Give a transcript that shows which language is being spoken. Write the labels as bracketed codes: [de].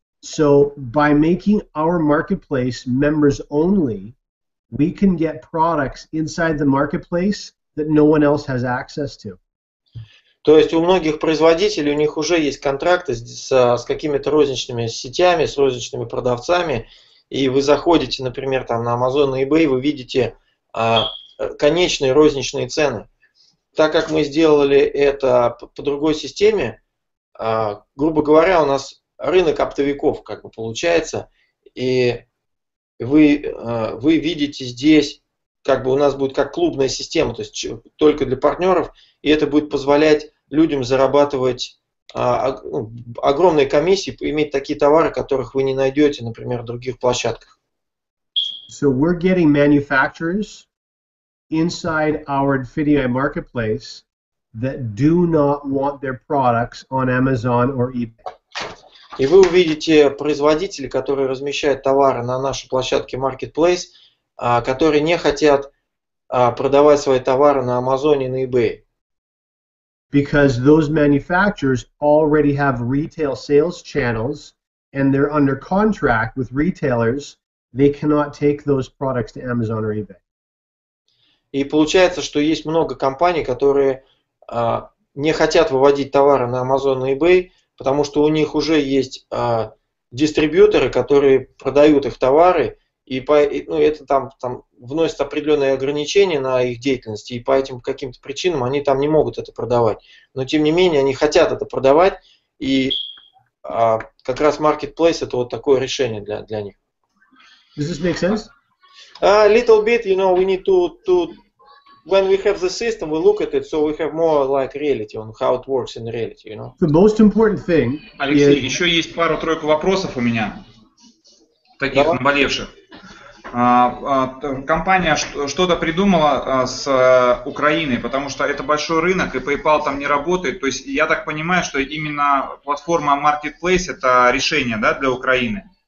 [en] So by making our marketplace members only, we can get products inside the marketplace that no one else has access to. [ru] То есть у многих производителей, у них уже есть контракты с какими-то розничными сетями, с розничными продавцами, и вы заходите, например, там на Amazon, на eBay, вы видите конечные розничные цены. Так как мы сделали это по другой системе, грубо говоря, у нас рынок оптовиков, как бы получается, и вы видите здесь, как бы у нас будет как клубная система, то есть только для партнеров, и это будет позволять людям зарабатывать огромные комиссии, иметь такие товары, которых вы не найдете, например, в других площадках. [en] So we're getting manufacturers inside our Infinii marketplace that do not want their products on Amazon or eBay. [ru] И вы увидите производителей, которые размещают товары на нашей площадке Marketplace, которые не хотят продавать свои товары на Amazon и на eBay. [en] Because those manufacturers already have retail sales channels and they're under contract with retailers, they cannot take those products to Amazon or eBay. [ru] И получается, что есть много компаний, которые не хотят выводить товары на Amazon и eBay, потому что у них уже есть дистрибьюторы, которые продают их товары, и это вносит определенные ограничения на их деятельность, и по этим каким-то причинам они там не могут это продавать. Но тем не менее, они хотят это продавать, и как раз Marketplace – это вот такое решение для них. [en] Does this make sense? A little bit, you know, we need to when we have the system, we look at it, so we have more like reality on how it works in reality, you know. The most important thing. [ru] Алексей, еще есть пару-тройку вопросов у меня, таких наболевших. Компания что-то придумала с Украиной, потому что это большой рынок, и PayPal там не работает. То есть я так понимаю, что именно платформа Marketplace это решение, да, для Украины.